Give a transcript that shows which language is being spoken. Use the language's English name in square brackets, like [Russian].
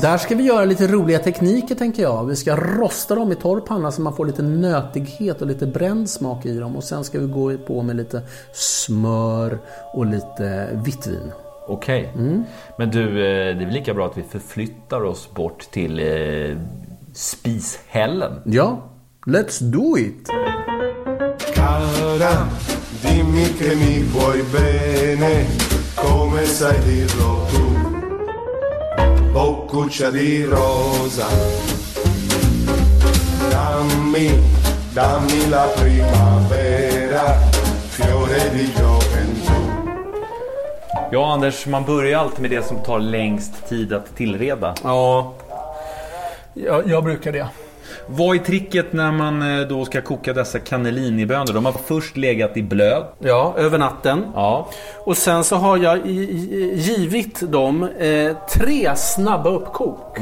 [Swedish] Där ska vi göra lite roliga tekniker, tänker jag. Vi ska rosta dem i torr panna så man får lite nötighet och lite bränd smak i dem. Och sen ska vi gå på med lite smör och lite vitt vin. Okej. Okay. Mm. Men du, det är väl lika bra att vi förflyttar oss bort till spishällen? [English] Ja, let's do it! [Italian] Cara, dimmi che mi vuoi bene. Come sai dirlo tu, boccuccia di rosa, dammi, dammi la primavera, fiore di gioventù. [Swedish] Ja, Anders, man börjar alltid med det som tar längst tid att tillreda. Ja, jag brukar det. Vad är tricket när man då ska koka dessa cannellinibönor? De har först legat i blöd. Ja, över natten. Ja. Och sen så har jag givit dem tre snabba uppkok.